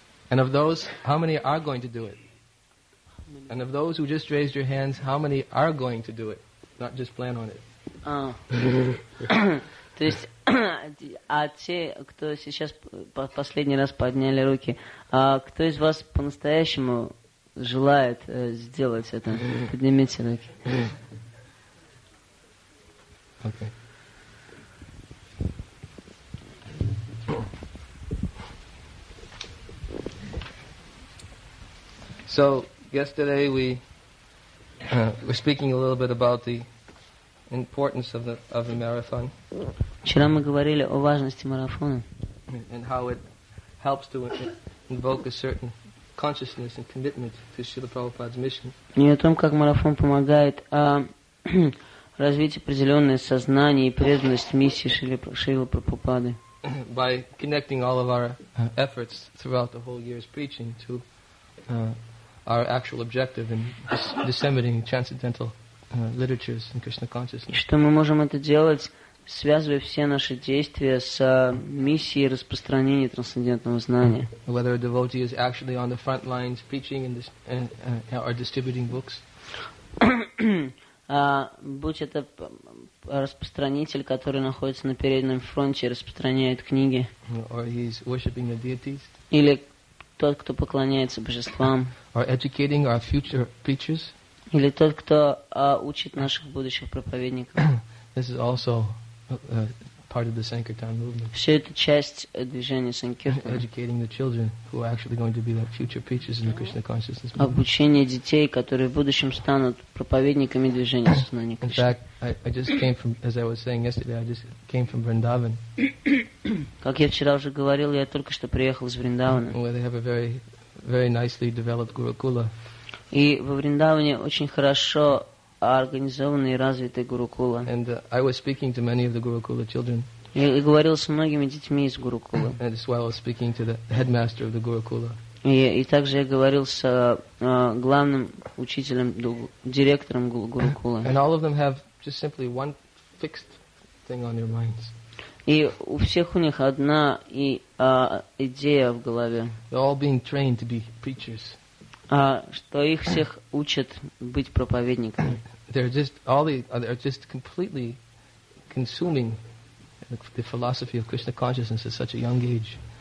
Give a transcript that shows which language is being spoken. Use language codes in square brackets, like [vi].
[en] And of those, how many are going to do it? And of those who just raised your hands, how many are going to do it, not just plan on it? [ru] То есть... А те, кто сейчас последний раз подняли руки, а кто из вас по-настоящему желает сделать это? Поднимите руки. [en] Okay. So, yesterday we're speaking a little bit about the importance of the marathon. [ru] Вчера мы говорили о важности марафона. [en] And how it helps to invoke a certain consciousness and commitment to Srila Prabhupada's mission. [ru] И о том, как марафон помогает развить определенное сознание и преданность миссии Шрилы Прабхупады. [en] By connecting all of our efforts throughout the whole year's preaching to our actual objective in disseminating transcendental literatures and Krishna consciousness. [ru] Что мы можем это делать, связывая все наши действия с миссией распространения трансцендентного знания. [en] Whether a devotee is actually on the front lines preaching and or distributing books. [ru] Будь это распространитель, который находится на переднем фронте и распространяет книги. [en] Or he's worshiping the deities. [ru] Или тот, кто поклоняется божествам. [en] Or educating our future preachers. [ru] Или тот, кто учит наших будущих проповедников. [en] This is also part of the Sankirtan movement. [ru] Все это часть движения Санкиртана. [en] Educating the children who are actually going to be the future preachers in the Krishna consciousness movement. [ru] Обучение детей, которые в будущем станут проповедниками движения сознания Кришны. [en] In fact, I just came from, as I was saying yesterday, I just came from Vrindavan. [ru] Как я вчера уже говорил, я только что приехал из Вриндавана. [en] Where they have a very, very nicely developed Gurukula. [ru] И во Вриндаване очень хорошо организованный и развитый Гурукула. [en] And I was speaking to many of the Gurukula children. [ru] И говорил с многими детьми из Гурукула. [en] And as well as speaking to the headmaster of the Gurukula. [ru] И также я говорил с главным учителем, директором Гурукула. [en] And all of them have just simply one fixed thing on their minds. [ru] И у всех у них одна и идея в голове. [en] They're all being trained to be preachers. [ru] Что их всех учат быть проповедниками. [en] They're just, all they're just completely consuming the philosophy of Krishna consciousness at such a young age.